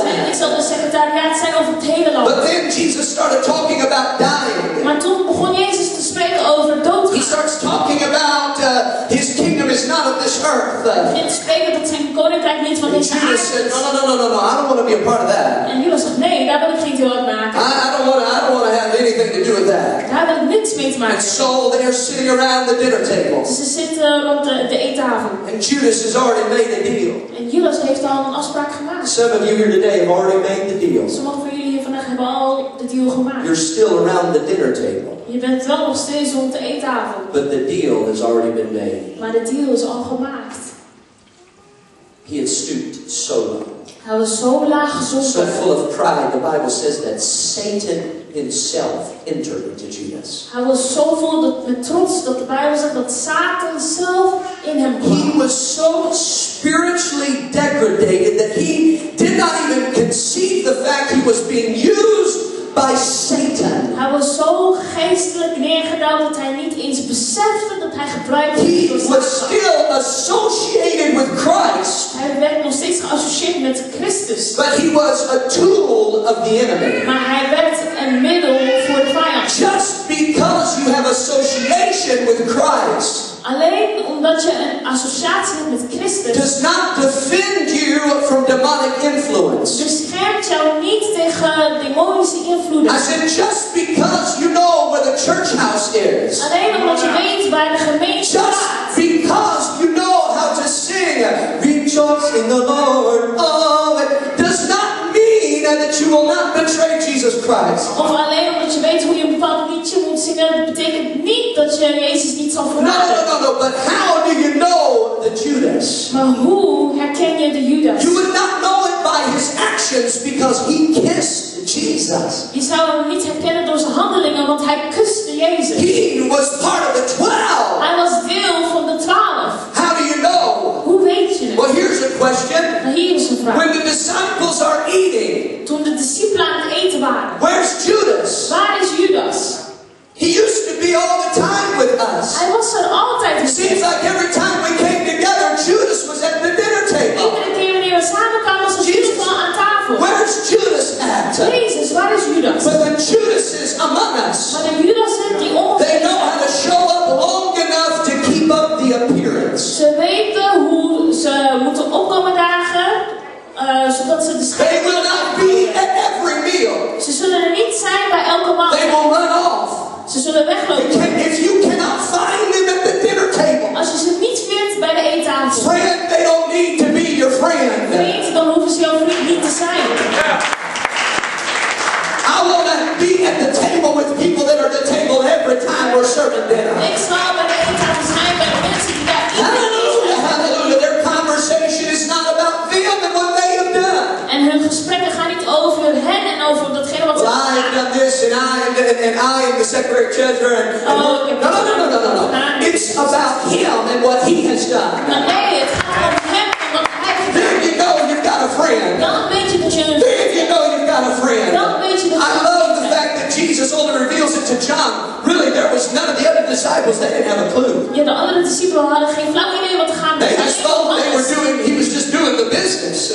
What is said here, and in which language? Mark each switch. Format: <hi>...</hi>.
<nl>Ik zal de secretariaat zijn over het hele land.</nl> <en>But then Jesus started talking about dying.</en> <nl>Maar toen begon Jezus te spreken over dood.</nl> <en>He starts talking about his kingdom is not of this earth.</en> <nl>Hij spreekt dat zijn koninkrijk niet van deze aarde.</nl> <en>Jesus said, no, I don't want to be a part of that.</en> <nl>En Judas zegt, nee, daar wil ik geen deel uitmaken.</nl> <en>I don't want to have anything to do with that.</en> <nl>Daar wil ik niets mee te maken.</nl> <en>And so they're sitting around the dinner table.</en> <nl>Ze zitten rond de eettafel.</nl> <en>And Judas has already made a deal.</en> <nl>En Judas heeft al een afspraak gemaakt.</nl> <en>Some of you here today have already made the deal.</en> <nl>Sommige van jullie hier vandaag hebben al de deal gemaakt.</nl> <en>You're still around the dinner table.</en> <nl>Je bent wel nog steeds rond de eettafel.</nl> <en>But the deal has already been made.</en> <nl>Maar de deal is al gemaakt.</nl> <en>He had stooped so low.</en> <nl>Hij was zo laag gezonken.</nl> <en>So full of pride, the Bible says that Satan himself entered into Judas.</en> <nl>Hij was zo vol met trots dat de Bijbel zegt dat Satan zelf in hem kwam.</nl> <en>He was so spiritually degraded that he did not even conceive the fact he was being used by Satan.</en> <nl>Hij was zo geestelijk neergedaald dat hij niet eens besefte dat hij gebruikt werd door Satan.</nl> <en>He was still associated with Christ.</en> <nl>Hij werd nog steeds geassocieerd met Christus.</nl> <en>But he was a tool of the enemy.</en> <nl>Maar hij werd een middel voor de vijand.</nl> <en>Just because you have association with Christ.</en> <nl>Alleen omdat je een associatie hebt met Christus.</nl> <en>Does not defend you from demonic influence.</en> <nl>Beschermt jou niet tegen demonische invloeden.</nl> <en>I said just because you know where the church house is.</en> <nl>Alleen omdat je weet waar de gemeente staat.</nl> <en>Just because you know how to sing rejoice in the Lord. Oh, it does not mean that you will not betray Jesus Christ.</en> <nl>Of alleen omdat je weet hoe je een bepaald liedje moet zingen. Dat betekent niet dat je Jezus niet zal verraden.</nl> <en>No, but how do you know the Judas?</en> <nl>Maar hoe herken je de Judas?</nl> <en>You would not know it by his actions because he kissed Jesus.</en> <nl>Je zou hem niet herkennen door zijn handelingen, want hij kuste Jezus.</nl> <en>He was part of the 12.</en> <nl>Hij was deel van de 12.</nl> <en>How do you know?</en> <nl>Hoe weet je het?</nl> <en>Well, here's a question.</en> <nl>Maar hier is een vraag.</nl> <en>When the disciples are eating.</en> <nl>Toen de discipelen aan het eten waren.</nl> <en>Where's Judas?</en> <nl>Waar is Judas?</nl> <en>He used to be all the time with us.</en> <nl>Hij was er altijd.</nl> <en>It seems like every time we came together, Judas was at the dinner table.</en> <nl>Iedere keer wanneer we samen kwamen, was Judas al aan tafel.</nl> <en>Where's Judas at?</en> <nl>Jesus, waar is Judas?</nl> <en>But the Judas is among us.</en> <nl>Maar de Judas zijn die ons.</nl> <en>They know how to show up long enough to keep up the appearance.</en> <nl>Ze weten hoe ze moeten opkomen dagen, zodat ze de schijn.</nl> <en>They will not be at every meal.</en> <nl>Ze zullen er niet zijn bij elke maaltijd.</nl> <en>They will run off.</en> <nl>Ze zullen weglopen.</nl> <en>If you cannot find them at the dinner table,</en> <nl>als je ze niet vindt bij de eettafel.</nl> <en>Friend, they don't need to be your friend.</en> <nl>Vriend, dan hoeven ze jouw vriend niet te zijn.</nl> <en>I want to be at the table with people that are at the table every time we're serving dinner.</en> <nl>Ik zal bij de eettafel zijn bij de mensen die daar eten. Hallelujah, hallelujah.</nl> <en>Their conversation is not about them and what they have done.</en> <nl>En hun gesprekken gaan niet over hen en over datgene wat ze hebben gedaan.</nl> <en>Well, I have done this and I am the Secretary of Treasury. No. It's about him and what he has done.</en> <nl>Nee, het gaat om hem en wat hij heeft gedaan.</nl> <en>There you go, you've got a friend.</en> <nl>Dan weet je dat je een vriend hebt.</nl> <en>There you go, you've got a friend.</en> <nl>Dan weet je dat je een vriend hebt.</nl> <en>I love the fact that Jesus only reveals it to John. Really, there was none of the other disciples that didn't have a clue.</en> <nl>Ja, de andere discipelen hadden geen flauw idee wat er gaan.</nl> <en>They just thought they were doing, he was just doing the business.</en>